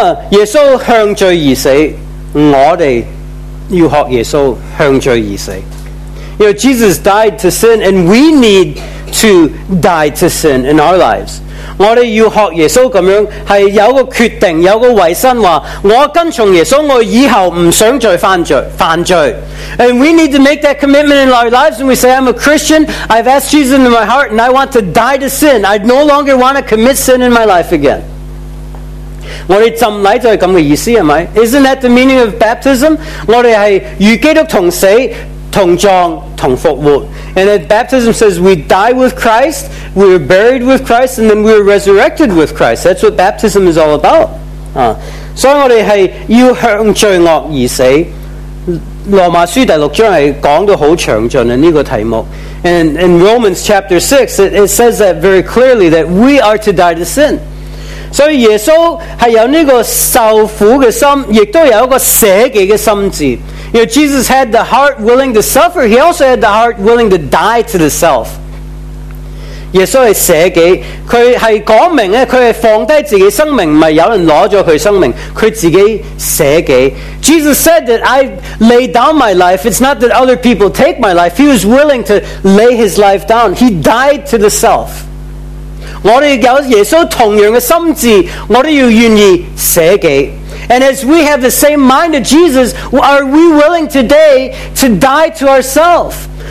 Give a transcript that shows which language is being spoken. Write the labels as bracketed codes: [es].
[zh] 耶稣向罪而死, 我们要学耶稣向罪而死。 [en] You know, Jesus died to sin, and we need to die to sin in our lives. [zh] 我们要学耶稣这样是有个决定有个卫生说我跟从耶稣我以后不想再犯罪 [en] And we need to make that commitment in our lives, and we say, I'm a Christian, I've asked Jesus into my heart, and I want to die to sin. I no longer want to commit sin in my life again. [zh] 我们浸礼就是这样的意思是不是? [en] Isn't that the meaning of baptism? [zh] 我们是与基督同死 同葬同复活。 [en] And that baptism says we die with Christ, we are buried with Christ, and then we are resurrected with Christ. That's what baptism is all about. [zh] 所以我们是要向罪恶而死。罗马书第六章是讲得很详尽的这个题目。 [en] And in Romans chapter 6, it says that very clearly, that we are to die to sin. [zh] 所以耶稣是有这个受苦的心, 也都有一个舍己的心志。 [en] You know, Jesus had the heart willing to suffer. He also had the heart willing to die to the self. [zh] 耶稣是舍己, 他是说明, 他是放下自己生命, 不是有人拿了他的生命, 他自己舍己。 [en] Jesus said that I lay down my life. It's not that other people take my life. He was willing to lay his life down. He died to the self. [zh] 我们有耶稣同样的心智, 我们要愿意舍己。 [en] And as we have the same mind of Jesus, are we willing today to die to ourselves?